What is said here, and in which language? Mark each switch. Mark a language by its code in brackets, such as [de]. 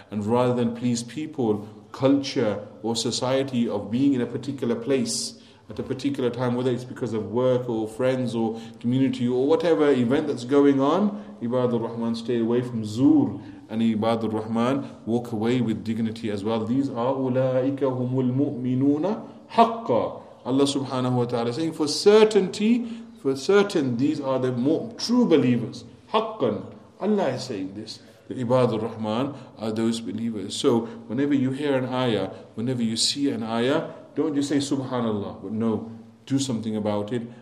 [en] And rather than please people, culture, or society of being in a particular place at a particular time, whether it's because of work or friends or community or whatever event that's going on, Ibadur Rahman, stay away from zur. And Ibadur Rahman, walk away with dignity as well. These are [ar] أُولَٰئِكَ هُمُ الْمُؤْمِنُونَ حَقَّ. [en] Allah subhanahu wa ta'ala saying, for certain, these are the true believers. [ar] حَقًّا. [en] Allah is saying this. The Ibadur Rahman are those believers. So whenever you hear an ayah, whenever you see an ayah, don't just say subhanallah, but no, do something about it.